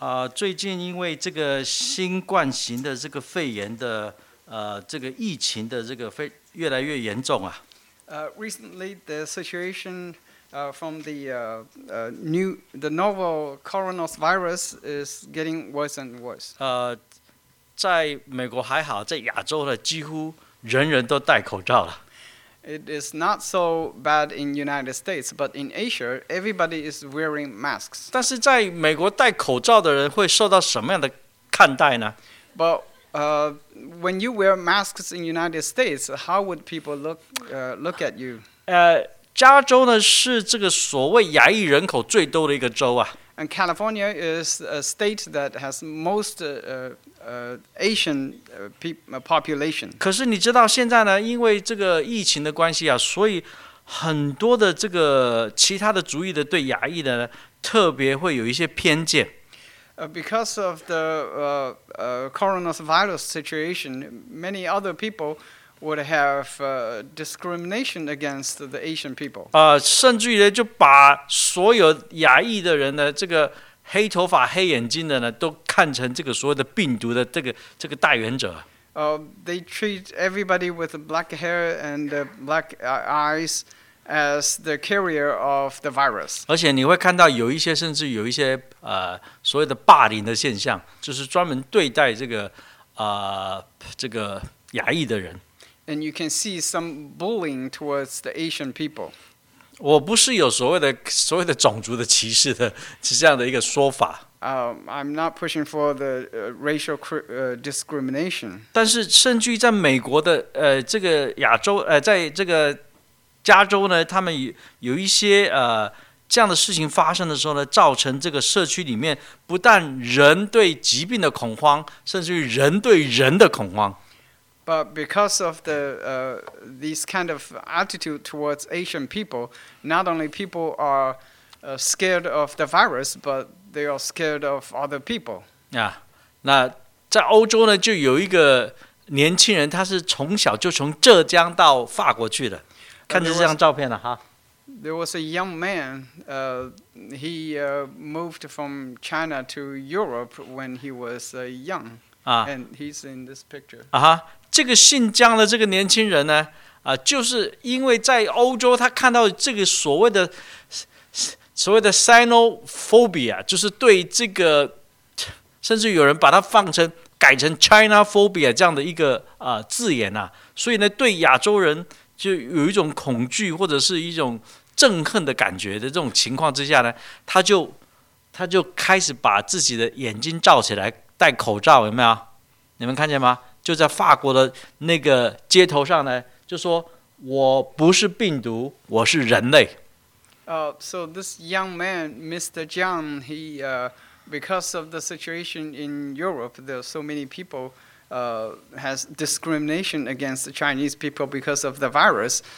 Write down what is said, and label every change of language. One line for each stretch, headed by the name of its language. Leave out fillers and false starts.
Chinese: 最近因为这个新冠型的这个肺炎的这个疫情的这个越来越严重啊。
English: Recently, the situation from the novel coronavirus is getting worse and worse。
Chinese: 在美国还好，在亚洲呢，几乎人人都戴口罩了。
English: It is not so bad in the United States, but in Asia, everybody is wearing masks.
Chinese: 但是在美国戴口罩的人会受到什么样的看待呢？
English: But when you wear masks in the United States, how would people look at you?
Chinese: 加州呢是这个所谓亚裔人口最多的一个州啊。
English: And California is a state that has most Asian population.
Chinese: 可是你知道现在呢，因为这个疫情的关系啊，所以很多的这个其他的族裔的对亚裔的呢，特别会有一些偏见。
English: Because of the coronavirus situation, many other people would have discrimination against the Asian people.
Chinese: 甚至于就把所有亚裔的人呢，这个黑头发、黑眼睛的呢，都看成这个所谓的病毒的这个带源者。
English: They treat everybody with black hair and black eyes as the carrier of the virus.
Chinese: 而且你会看到有一些甚至有一些所谓的霸凌的现象，就是专门对待这个亚裔的人。
English: And you can see some bullying towards the Asian people.
Chinese: 我不是有所谓的种族的歧视的，是这样的一个说法。
English: I'm not pushing for the racial discrimination.
Chinese: 但是甚至于在美国的这个亚洲在这个加州呢，他们有一些这样的事情发生的时候呢，造成这个社区里面不但人对疾病的恐慌，甚至于人对人的恐慌。
English: But because of the these kind of attitude towards Asian people, not only people are scared of the virus, but they are scared of other people.
Chinese: 那在欧洲呢，就有一个年轻人，他是从小就从浙江到法国去的，看着这张照片了哈。
English: There was a young man. He moved from China to Europe when he was young. And he's in this picture.
Chinese: 这个姓江的这个年轻人呢，就是因为在欧洲，他看到这个所谓的 Sinophobia， 就是对这个，甚至有人把它改成 China phobia 这样的一个字眼呐、所以呢，对亚洲人就有一种恐惧或者是一种憎恨的感觉的这种情况之下呢，他就开始把自己的眼睛罩起来，戴口罩，有没有？你们看见吗？就在法国的那个街头上呢，就说我不是病毒，我是人类。
English: So this young man, Mr. Jiang, he because of the situation in Europe, there are so many people has discrimination against the Chinese people because of the virus.